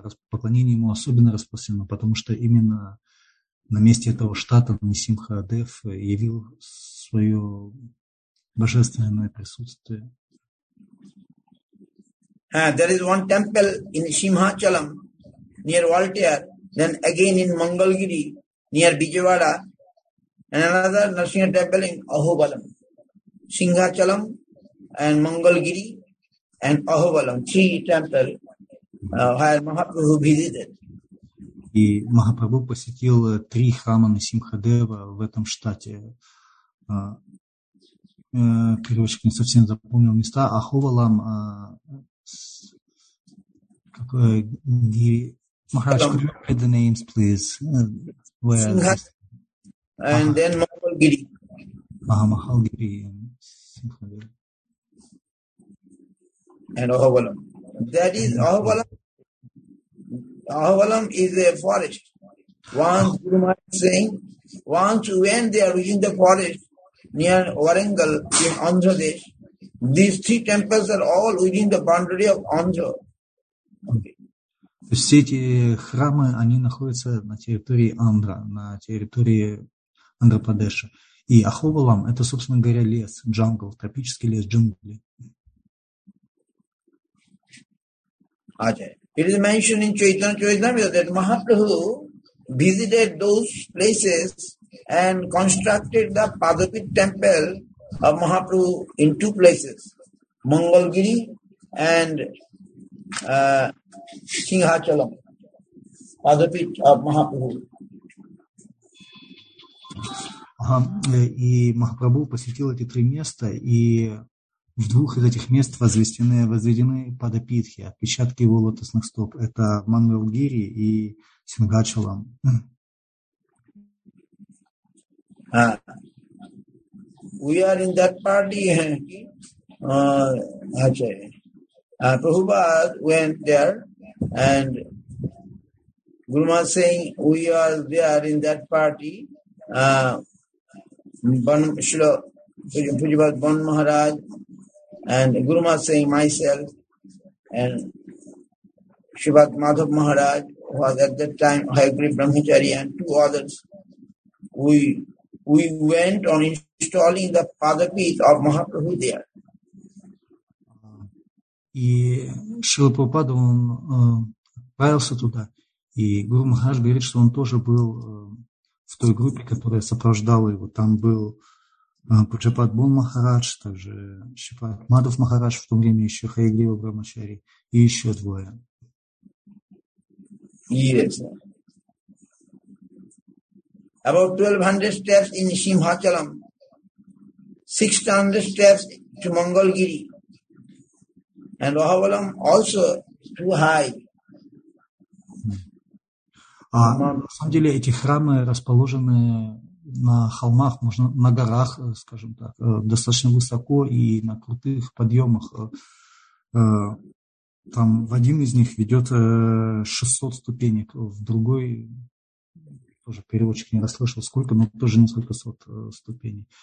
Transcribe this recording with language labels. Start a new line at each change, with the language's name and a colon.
Russian: Поклонение ему особенно распространено, потому что именно на месте этого штата Нарсимхадев явил свое божественное присутствие.
English: There is one temple in Simhachalam near Valtir. Then again in Mangalgiri, near Vijayawada, and another Narsingha temple in Ahobalam. Simhachalam and Mangalgiri and Ahobalam, three temples where Mahaprabhu visited.
Russian: И Махапрабху посетил три храма Нарсимхадева в этом штате. Кривочка не совсем запомнил места. Ахобалам, какой...
English: Махарадж, could you read the names, please? Where? And then Mahalgiri. Mahalgiri and Simhadev. And Ahobalam. That is Ahobalam. Ahobalam is a forest. Once Guru Maharaj is saying, once when they are within the forest near Warangal in Andhra Desh, these three temples are all within the boundary of Andhra.
Russian: То есть все эти храмы, они находятся на территории Андра, на территории Андхра-Прадеша. И Ахобалам – это, собственно говоря, лес, джангл, тропический лес, джунгли.
English: It is mentioned in Chaitanya Charitamrita that Mahaprabhu visited those places and constructed the Padapit temple of Mahaprabhu in two places, Mangalgiri and Simhachalam, Padapit of Mahaprabhu.
Russian: И Махапрабху посетил эти три места, и в двух из этих мест возведены падапитхи, отпечатки его лотосных стоп. Это Мангалгири и Симхачалам.
English: We are in that party. Prabhupada went there and Guru Maharaj saying, we are there in that party. Prabhupada, Ban Maharaj and Guru Maharaj saying, myself and Shivat Madhav Maharaj was at that time Hayagri Brahmachari and two others. We went on installing the Padapit of Mahaprabhu there.
Russian: И Шрила Прабхупада, он отправился туда. И Гуру Махарадж говорит, что он тоже был в той группе, которая сопровождала его. Там был Пуджапад Бон Махарадж, также Шипад Мадов Махарадж, в то время еще Хайгрива Брамачари, и еще двое.
English: Yes. About 1200 steps in Simhachalam, 600 steps to Mangalgiri. And Ahobalam also too high.
Russian: А на самом деле эти храмы расположены на холмах, можно на горах, скажем так, достаточно высоко и на крутых подъемах. Там в один из них ведет 600 ступенек, в другой, тоже переводчик не расслышал сколько, но тоже несколько сот ступеней.